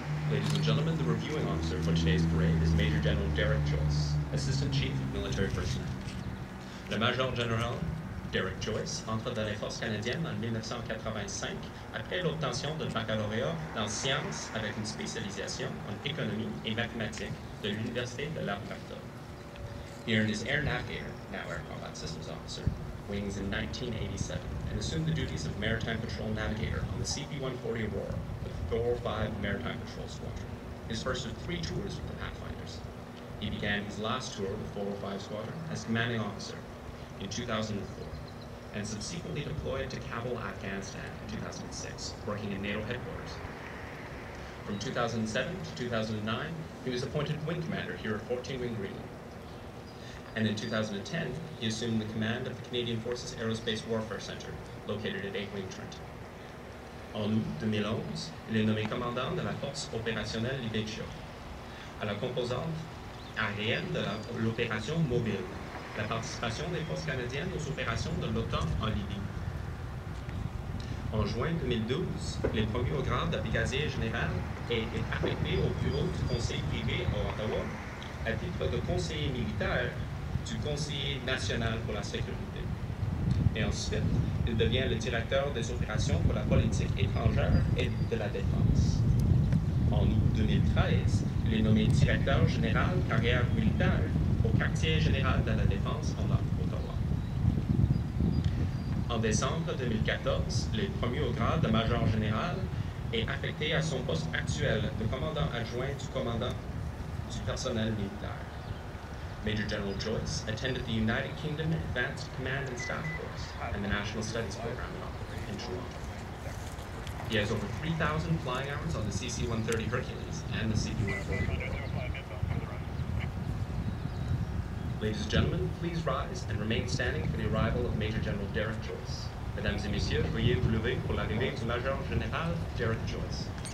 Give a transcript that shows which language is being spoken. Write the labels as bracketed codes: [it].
[en] Ladies and gentlemen, the reviewing officer for today's parade is Major General Derek Joyce, Assistant Chief of Military Personnel. [fr] Le Major General Derek Joyce entre dans les forces canadiennes en 1985 après l'obtention d'un baccalauréat dans sciences avec une spécialisation en économie et mathématiques de l'Université de l'Alberta. [en] He earned his Air NAV Air, now Air Combat Systems Officer, wings in 1987 and assumed the duties of Maritime Patrol Navigator on the CP-140 Aurora with 405 Maritime Patrol Squadron, his first of three tours with the Pathfinders. He began his last tour with 405 Squadron as Commanding Officer in 2004 and subsequently deployed to Kabul, Afghanistan in 2006, working in NATO headquarters. From 2007 to 2009, he was appointed Wing Commander here at 14 Wing Greenwood. And in 2010, he assumed the command of the Canadian Forces Aerospace Warfare Center, located at 8 Wing Trenton. [fr] En août 2011, il est nommé commandant de la Force Opérationnelle Libécho, à la composante aérienne de l'opération mobile, la participation des forces canadiennes aux opérations de l'OTAN en Libye. En juin 2012, il est promu au grade de brigadier général et est affecté au bureau du conseil privé à Ottawa à titre de conseiller militaire du conseiller national pour la sécurité. Et ensuite, il devient le directeur des opérations pour la politique étrangère et de la défense. En août 2013, il est nommé directeur général carrière militaire au quartier général de la défense en Ottawa. En décembre 2014, il est promu au grade de major général et affecté à son poste actuel de commandant adjoint du commandant du personnel militaire. [en] Major General Joyce attended the United Kingdom Advanced Command and Staff Course and the National Studies Program in Toronto. He has over 3,000 flying hours on the CC-130 Hercules and the CP-140. Ladies and gentlemen, please rise and remain standing for the arrival of Major General Derek Joyce. [fr] Mesdames et messieurs, veuillez vous lever pour l'arrivée du Major Général Derek Joyce.